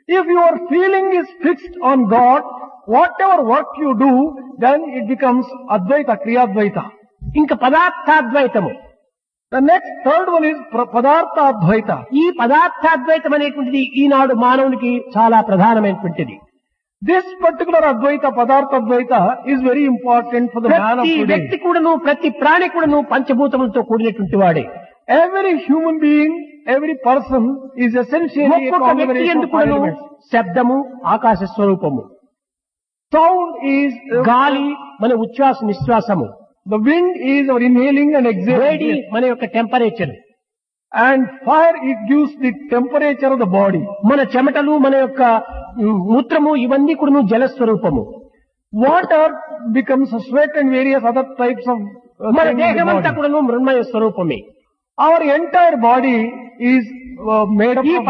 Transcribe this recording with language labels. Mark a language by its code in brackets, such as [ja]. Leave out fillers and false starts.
[en] If your feeling is fixed on God, whatever work you do, then it becomes advaita, kriyadvaita. [te] Inka padarthadvaitam. [en] The next third one is పదార్థాద్వైతం. [te] ఈ పదార్థాద్వైతం అనేటువంటిది ఈనాడు మానవునికి చాలా ప్రధానమైనటువంటిది. [en] This particular అద్వైత పదార్థద్వైత is very important for the man of today. [te] వ్యక్తి కూడాను ప్రతి ప్రాణి కూడాను పంచభూతములతో కూడినటువంటి వాడే. [en] Every human being, every person is essential. [te] ఒక్కొక్క వ్యక్తి ఎందుకు శబ్దము ఆకాశ స్వరూపము. [en] sound is [te] గాలి మన ఉచ్ఛ్వాస నిశ్వాసము. [en] The wind is our inhaling and exhaling. [te] మన యొక్క temperature. [en] And fire it gives the temperature of the body. [te] మన చెమటలు, మన యొక్క మూత్రము, ఇవన్నీ కూడా జలస్వరూపము. [en] water becomes sweat and various other types of, [te] మన దేహం అంతా కూడా మృణ్మయ స్వరూపమే. [en] our entire body is made up of